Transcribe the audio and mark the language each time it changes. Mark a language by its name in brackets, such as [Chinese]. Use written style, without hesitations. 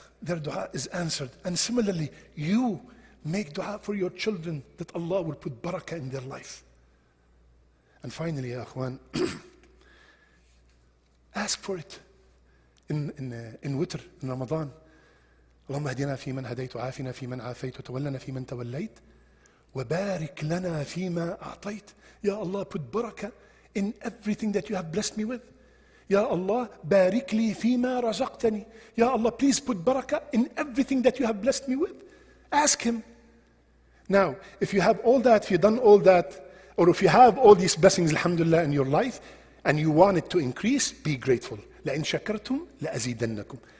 [English] Their dua is answered. And similarly, you make dua for your children that Allah will put barakah in their life. And finally, ya akhwan, ask for it in witr, in Ramadan. [Arabic] اللهم اهدنا في من هديت وعافنا في من عافيت وتولنا في من توليت وبارك لنا فيما أعطيت. [English] Ya Allah, put barakah in everything that you have blessed me with. [Arabic] Ya Allah, بارك لي فيما رزقتني. [English] Ya Allah, please put barakah in everything that you have blessed me with. Ask him. Now, if you have all that, if you've done all that, or if you have all these blessings, alhamdulillah, in your life, and you want it to increase, be grateful. [Arabic] لَإِن شَكَرْتُمْ لَأَزِيدَنَّكُمْ.